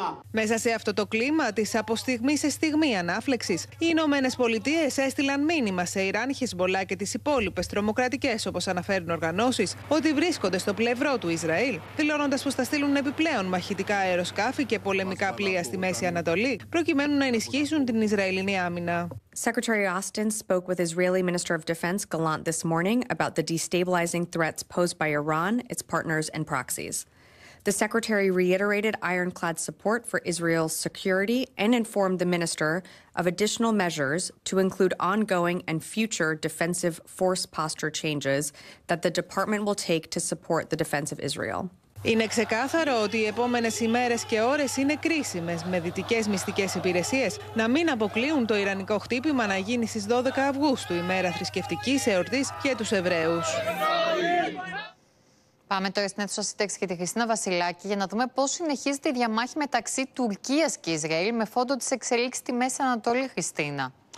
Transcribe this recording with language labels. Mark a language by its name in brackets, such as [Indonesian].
[Greek] Μέσα σε αυτό το κλίμα της από στιγμή σε στιγμή ανάφλεξης, οι Ηνωμένες Πολιτείες έστειλαν μήνυμα σε Ιράν, Χεσμπολά και τις υπόλοιπες τρομοκρατικές, όπως αναφέρουν οργανώσεις, ότι βρίσκονται στο πλευρό του Ισραήλ, δηλώνοντας πως θα στείλουν επιπλέον μαχητικά αεροσκάφη και πολεμικά πλοία στη Μέση Ανατολή, προκειμένου να ενισχύσουν την Ισραηλινή άμυνα. [English] Secretary Austin spoke with Israeli Minister of Defense Gallant this morning about the destabilizing threats posed by Iran, its partners and proxies. The secretary reiterated ironclad support for Israel's security and informed the minister of additional measures to include ongoing and future defensive force posture changes that the department will take to support the defense of Israel. [Greek] Είναι ξεκάθαρο ότι οι επόμενες ημέρες και ώρες είναι κρίσιμες, με δυτικές μυστικές υπηρεσίες να μην αποκλείουν το ιρανικό χτύπημα να γίνει στις 12 Αυγούστου, ημέρα θρησκευτικής εορτής για τους Εβραίους. Πάμε τώρα στην αίθουσα Σύνταξη και τη Χριστίνα Βασιλάκη για να δούμε πώς συνεχίζεται η διαμάχη μεταξύ Τουρκίας και Ισραήλ με φόντο τις εξελίξεις στη Μέση Ανατολή, Χριστίνα.